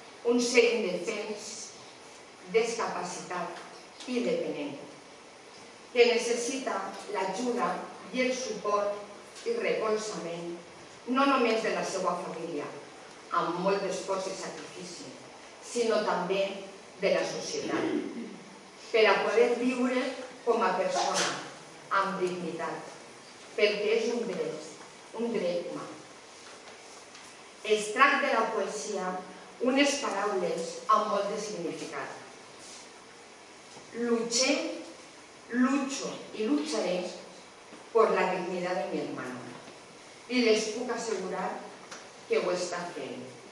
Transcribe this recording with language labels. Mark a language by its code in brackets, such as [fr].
[ca] Un ser indefens, discapacitat i dependent, que necessita l'ajuda i el suport i recolzament no només de la seva família, amb molt d'esforç i sacrifici, sinó també de la societat, per a poder viure com a persona, amb dignitat, perquè és un dret humà. Es tracta de la poesia unes paraules amb molt de significat. [es] Luché, lucho y lucharé por la dignidad de mi hermano. [ca] Y les puc assegurar que ho està fent.